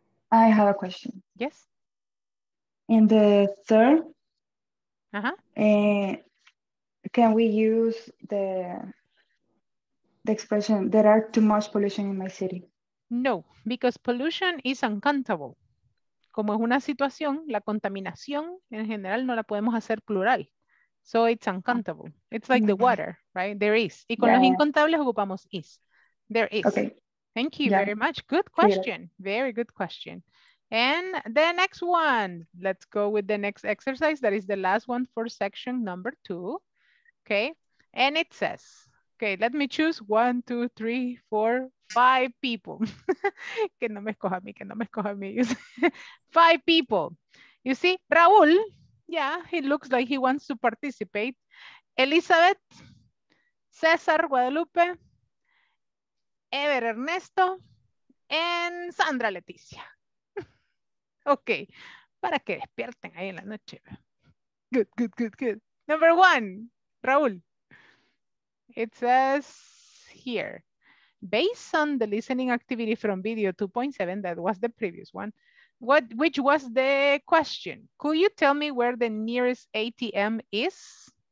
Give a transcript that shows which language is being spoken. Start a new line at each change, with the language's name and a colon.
English: I have a question. Yes? In the third, can we use the expression, there are too much pollution in my city? No, because pollution is uncountable.
Spanish: Como es una situación, la contaminación en general no la podemos hacer plural.
English: So it's uncountable. It's like the water, right? There is.
Spanish: Y con los incontables ocupamos is.
English: There is. Okay. Thank you very much. Good question. Yeah. Very good question. And the next one. Let's go with the next exercise. That is the last one for section number two. Okay. And it says, okay, let me choose 1, 2, 3, 4, 5 people.
Spanish: Que no me escoja a mí, que no me escoja a mí.
English: Five people. You see, Raúl. Yeah, he looks like he wants to participate. Elizabeth, Cesar Guadalupe, Ever Ernesto, and Sandra Leticia.
Spanish: Okay, para que despierten ahí en la noche.
English: Good. Number one, Raúl. It says here, based on the listening activity from video 2.7, that was the previous one, which was the question? Could you tell me where the nearest ATM is?